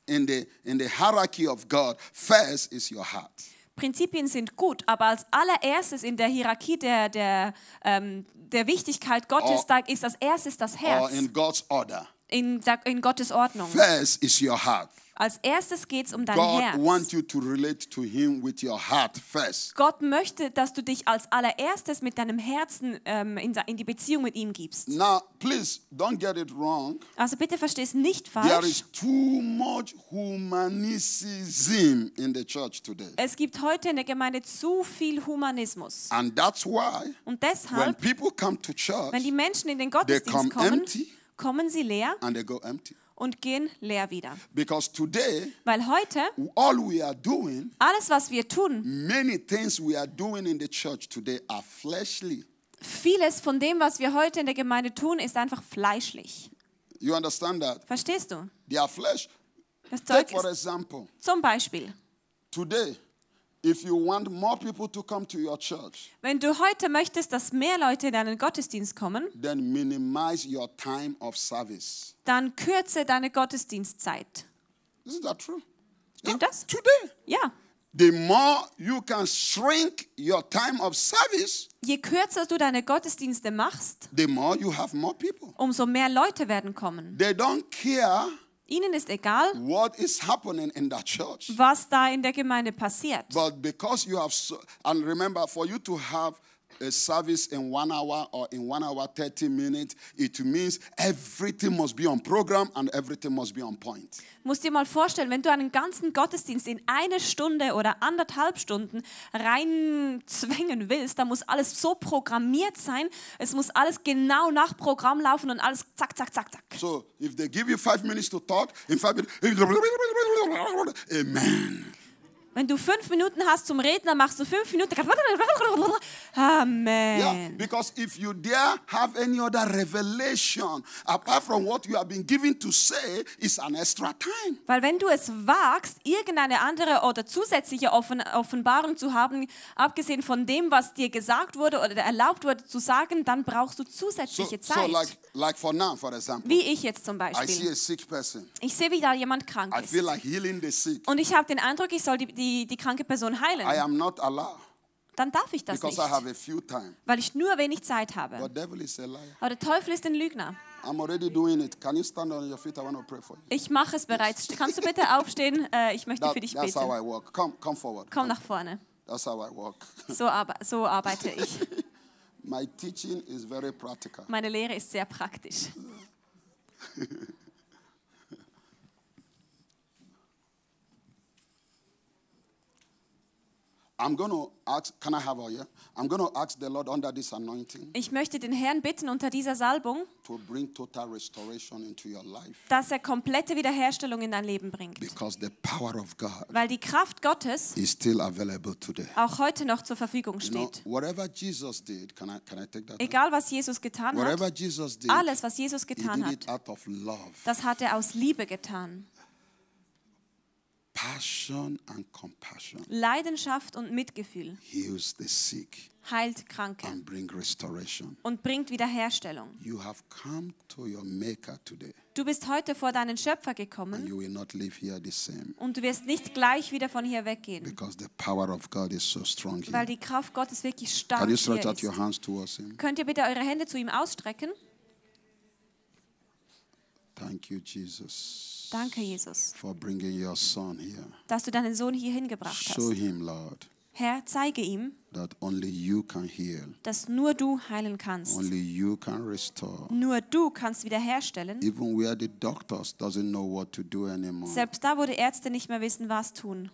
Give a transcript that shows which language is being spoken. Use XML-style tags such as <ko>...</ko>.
<en>In the hierarchy of God, first is your heart.</en> <de>Prinzipien sind gut, aber als allererstes in der Hierarchie der Wichtigkeit Gottes,</de> <en>or,</en> <de>da ist als erstes das Herz.</de> <en>In God's order.</en> <de>In Gottes Ordnung.</de> <en>First is your heart.</en> <de>Als erstes geht's um dein</de> <en>God</en> <de>Herz.</de> <en>God wants you to relate to him with your heart first.</en> <de>Gott möchte, dass du dich als allererstes mit deinem Herzen in die Beziehung mit ihm gibst.</de> <en>Now, please don't get it wrong.</en> <de>Also bitte versteh's nicht falsch.</de> <en>There is too much humanism in the church today.</en> <de>Es gibt heute in der Gemeinde zu viel Humanismus.</de> <en>And that's why.</en> <de>Und deshalb.</de> <en>When people come to church,</en> <de>wenn die Menschen in den Gottesdienst</de> <en>they come</en> <de>kommen,</de> <en>empty,</en> <de>kommen sie leer.</de> <en>And they go empty.</en> <de>Und gehen leer wieder.</de> <en>Because today,</en> <de>weil heute</de> <en>all we are doing,</en> <de>alles, was wir tun,</de> <en>many things we are doing in the church today are fleshly.</en> <de>Vieles von dem, was wir heute in der Gemeinde tun, ist einfach fleischlich.</de> <en>You understand that?</en> <de>Verstehst du?</de> <en>They are flesh.</en> <de>Das Zeug</de> <en>take for example,</en> <de>zum Beispiel.</de> <en>Today, if you want more people to come to your church,</en> <de>wenn du heute möchtest, dass mehr Leute in deinen Gottesdienst kommen,</de> <en>then minimize your time of service.</en> <de>Dann kürze deine Gottesdienstzeit.</de> <en>Isn't that true?</en> <de>Stimmt das?</de> <en>Today.</en> <de>Ja.</de> <en>The more you can shrink your time of service,</en> <de>je kürzer du deine Gottesdienste machst,</de> <en>the more you have more people.</en> <de>Umso mehr Leute werden kommen.</de> <en>They don't care.</en> <de>Ihnen ist egal,</de> <en>what is happening in that church,</en> <de>was da in der Gemeinde passiert.</de> <en>But because you have, so, and remember, for you to have a service in 1 hour or in 1 hour 30 minutes, it means everything must be on program and everything must be on point.</en> <de>Musst dir mal vorstellen, wenn du einen ganzen Gottesdienst in eine Stunde oder anderthalb Stunden reinzwängen willst, dann muss alles so programmiert sein, es muss alles genau nach Programm laufen und alles zack, zack, zack, zack.</de> <en>So, if they give you 5 minutes to talk, in 5 minutes, amen.</en> <de>Wenn du 5 Minuten hast zum Reden, dann machst du 5 Minuten.</de> <en>Amen. Yeah, because if you dare have any other revelation apart from what you have been given to say, it's an extra time.</en> <de>Weil wenn du es wagst, irgendeine andere oder zusätzliche Offenbarung zu haben, abgesehen von dem, was dir gesagt wurde oder erlaubt wurde zu sagen, dann brauchst du zusätzliche Zeit.</de> <en>So like for now, for example.</en> <de>Wie ich jetzt zum Beispiel.</de> <en>I see a sick person.</en> <de>Ich sehe, wie da jemand krank ist.</de> <en>I feel like healing the sick.</en> <de>Und ich habe den Eindruck, ich soll die kranke Person heilen.</de> <en>I am not allowed.</en> <de>Dann darf ich das</de> <en>because</en> <de>nicht.</de> <en>I have a few time.</en> <de>Weil ich nur wenig Zeit habe.</de> <en>But devil is a liar.</en> <de>Aber der Teufel ist ein Lügner.</de> <en>I'm already doing it. Can you stand on your feet? I want to pray for you.</en> <de>Ich mache es bereits. Yes. Kannst du bitte aufstehen? Ich möchte für dich</de> <en>that's</en> <de>beten.</de> <en>How I work. Come forward.</en> <de>Komm nach vorne.</de> <en>That's how I work.</en> <de>So arbeite ich.</de> <en>My teaching is very practical.</en> <de>Meine Lehre ist sehr praktisch.</de> <en>I'm going to ask the Lord under this anointing.</en> <de>Ich möchte den Herrn bitten unter dieser Salbung.</de> <en>To bring total restoration into your life.</en> <de>Dass er komplette Wiederherstellung in dein Leben bringt.</de> <en>Because the power of God.</en> <de>Weil die Kraft Gottes.</de> <en>Is still available today.</en> <de>Auch heute noch zur Verfügung steht.</de> <en>You know, whatever Jesus did, can I take that?</en> <de>Egal was Jesus getan hat.</de> <en>Whatever Jesus did.</en> <de>Alles was Jesus getan hat.</de> <en>He did it out of love.</en> <de>Das hat er aus Liebe getan.</de> <en>Passion and compassion.</en> <de>Leidenschaft und Mitgefühl.</de> <en>Heals the sick.</en> <de>Heilt Kranke.</de> <en>And bring restoration.</en> <de>Und bringt Wiederherstellung.</de> <en>You have come to your Maker today.</en> <de>Du bist heute vor deinen Schöpfer gekommen.</de> <en>And you will not leave here the same.</en> <de>Und du wirst nicht gleich wieder von hier weggehen.</de> <en>Because the power of God is so strong here.</en> <de>Weil die Kraft Gottes wirklich stark</de> <en>can you stretch out</en> <de>ist.</de> <en>Your hands towards him?</en> <de>Könnt ihr bitte eure Hände zu ihm ausstrecken?</de> <en>Thank you, Jesus.</en> <de>Danke, Jesus,</de> <en>for bringing your son here.</en> <de>Dass du deinen Sohn hier hingebracht hast.</de> <en>Show him, Lord,</en> <de>Herr, zeige ihm,</de> <en>that only you can heal.</en> <de>Dass nur du heilen kannst.</de> <en>Only you can restore.</en> <de>Nur du kannst wiederherstellen.</de> <en>Even where the doctors doesn't know what to do anymore.</en> <de>Selbst da, wo die Ärzte nicht mehr wissen, was tun.</de>